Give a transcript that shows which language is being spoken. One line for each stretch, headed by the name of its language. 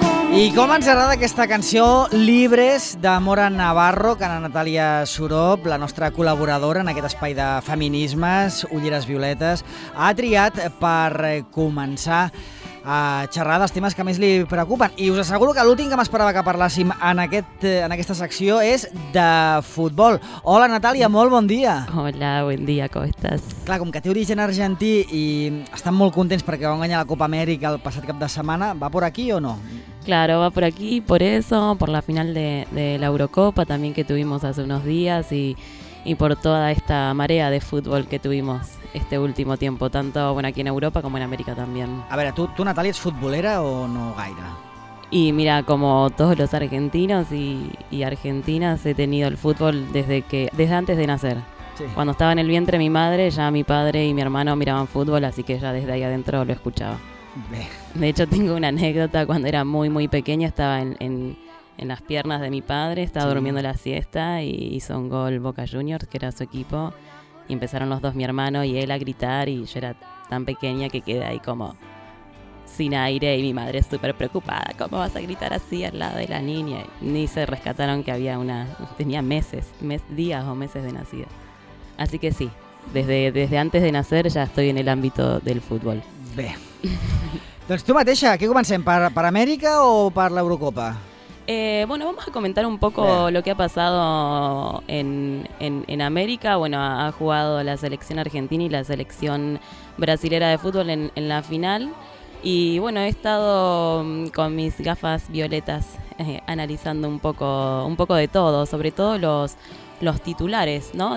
Catalan: I com ens agrada aquesta canció, Libres, de Mora Navarro, que ara Natàlia Surop, la nostra col·laboradora en aquest espai de feminismes, Ulleres Violetes, ha triat per començar a xerrar dels temes que més li preocupen. I us asseguro que l'últim que m'esperava que parléssim en aquesta secció és de futbol. Hola, Natàlia, molt bon dia. Hola, bon dia, com estàs? Clar, com que té origen argentí i estan molt contents perquè van guanyar la Copa Amèrica el passat cap de setmana,
Spanish: va por aquí o no? Claro, va por aquí, por eso, por la final de la Eurocopa también que tuvimos hace unos días y por toda esta marea de fútbol que tuvimos este último tiempo, tanto bueno, aquí en Europa como en América también. A ver, ¿tú
Catalan: Natalia, ets futbolera o no gaire?
Spanish: Y mira, como todos los argentinos y argentinas, he tenido el fútbol desde antes de nacer. Sí. Cuando estaba en el vientre mi madre, ya mi padre y mi hermano miraban fútbol, así que ya desde ahí adentro lo escuchaba. De hecho, tengo una anécdota. Cuando era muy, muy pequeña, estaba en las piernas de mi padre, estaba durmiendo la siesta y hizo un gol Boca Juniors, que era su equipo, y empezaron los dos, mi hermano y él, a gritar, y yo era tan pequeña que quedé ahí como sin aire y mi madre súper preocupada, ¿cómo vas a gritar así al lado de la niña? Y ni se rescataron que tenía días o meses de nacida. Así que sí, desde antes de nacer ya estoy en el ámbito del fútbol.
Catalan: Bé, doncs tu mateixa, què comencem, per Amèrica o per l'Eurocopa?
Spanish: Bueno, vamos a comentar un poco lo que ha pasado en América. Bueno, ha jugado la selección argentina y la selección brasilera de fútbol en la final. Y bueno, he estado con mis gafas violetas analizando un poco de todo, sobre todo los titulares, ¿no?